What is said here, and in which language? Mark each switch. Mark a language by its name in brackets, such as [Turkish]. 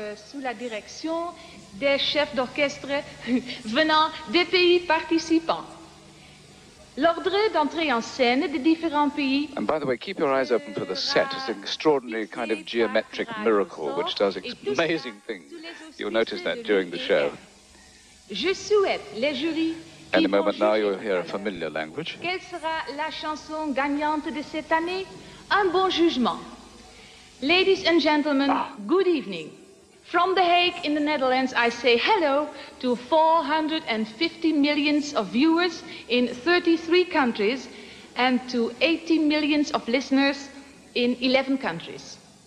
[French] Sous la direction des chefs d'orchestre venant des pays participants. L'ordre d'entrée en scène des différents pays. [English] And by the way, keep your eyes open for the set. It's an extraordinary kind of geometric miracle which does amazing things. You'll notice that during the show. [French] Je souhaite les jurys. [English] Any moment now, you'll hear a familiar language. [French] Quelle sera la chanson gagnante de cette année? Un bon jugement. [English] Ladies and gentlemen, good evening. From The Hague in the Netherlands, I say hello to 450 million of viewers in 33 countries and to 80 million of listeners in 11 countries.